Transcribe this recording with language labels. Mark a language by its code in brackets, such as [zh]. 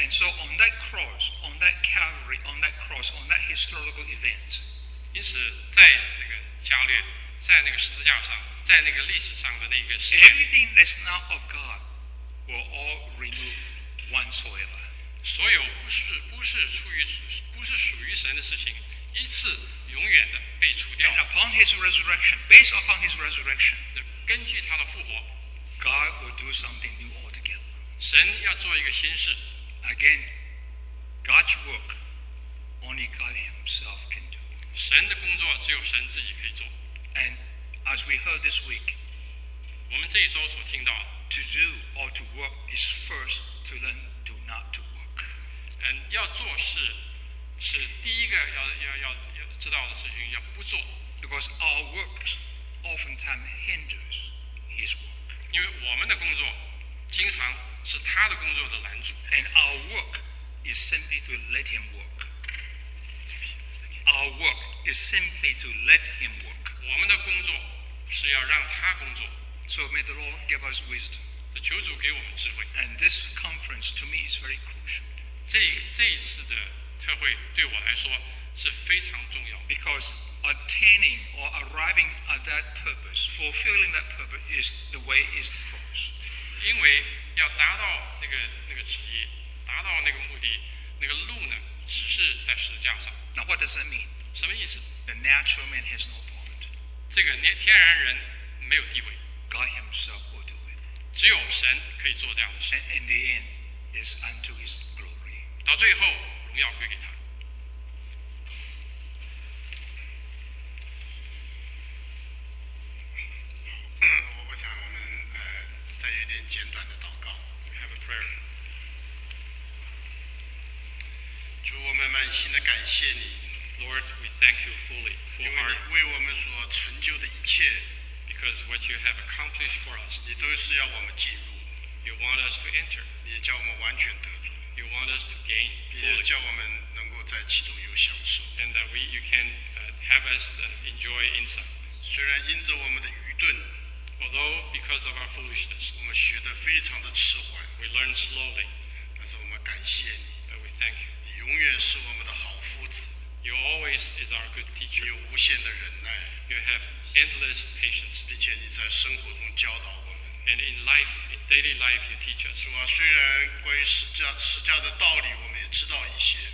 [en] And so on that cross, on that Calvary, on that cross, on that historical event. [zh] 因此，在那个加略，在那个十字架上，在那个历史上的那个事件。 [en] Everything that's not of God will all remove once forever. [zh] 所有不是属于神的事情，一次永远的被除掉。 [en] And upon His resurrection, based upon His resurrection, [zh] 根据他的复活 [en] ，God will do something new altogether. [zh] 神要做一个新事。 [en] Again, God's work only God Himself can do. [zh] 神的工作只有神自己可以做。 [en] And as we heard this week. [zh] 我们这一周所听到 [en] To do or to work is first to learn to not to work. [zh] 要做事是第一个 要知道的事情，要不做。 [en] Because our work oftentimes hinders his work. [zh] 因为我们的工作经常是他的工作的拦阻。 [en] And our work is simply to let him work. Our work is simply to let him work. [zh] 我们的工作是要让他工作。 [en] So may the Lord give us wisdom. [zh] 求主给我们智慧。 [en] And this conference to me is very crucial. [zh] 这一次的特会对我来说是非常重要。 [en] Because attaining or arriving at that purpose, fulfilling that purpose is the way is the cross. [zh] 因为要达到那个旨意，达到那个目的，那个路呢，只是在十字架上。 [en] Now what does that mean? [zh] 什么意思? [en] The natural man has no part. [zh] 这个天然人没有地位。 [en] God himself will do it. [zh] 只有神可以做这样的事。 [en] And in the end, it's unto his glory. [zh] 到最后,荣耀归给他。我想我们再有点简短的祷告。 [en] Have a prayer. [zh] 主，我们满心的感谢你 [en] ，Lord, we thank you fully for our [zh] 因为你为我们所成就的一切 [en] ，because what you have accomplished for us， [zh] 你都是要我们进入 [en] ，you want us to enter， [zh] 你也叫我们完全得着 [en] ，you want us to gain， [zh] 你也叫我们能够在其中有享受 [en] ，and that we you can have us enjoy inside。 [zh] 虽然因着我们的愚钝 [en] ，although because of our foolishness， [zh] 我们学得非常的迟缓 [en] ，we learn slowly， [zh] 但是我们感谢你 [en] ，and we thank you。 [zh] 永远是我们的好夫子。 [en] You always is our good teacher. [zh] 你有无限的忍耐。 [en] You have endless patience. [zh] 并且你在生活中教导我们。 [en] And in life, in daily life, you teach us. [zh] 主啊，虽然关于十字架的道理我们也知道一些。